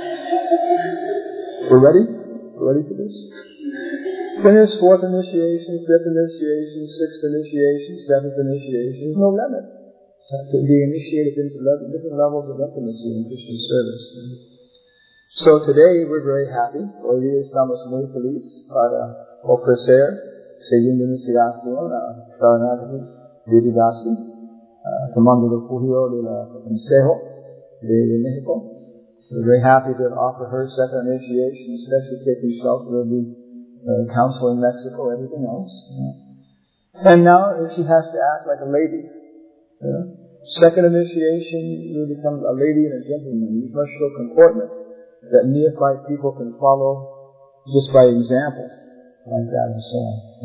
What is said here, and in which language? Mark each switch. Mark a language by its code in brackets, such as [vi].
[en] We're ready? We're ready for this? Finish fourth initiation, fifth initiation, sixth initiation, seventh initiation. No limit. To be initiated into different levels of intimacy in Krishna service. So today we're very happy. [es] Hoy estamos muy feliz para ofrecer segunda iniciación a Sharanagati Devidasi, tomando refugio de la Consejo de México. [en] We're very happy to offer her second initiation, especially taking shelter of the council in Mexico, everything else. And now she has to act like a lady. Second initiation, you become a lady and a gentleman. You must show comportment that neophyte people can follow just by example, like that and so on.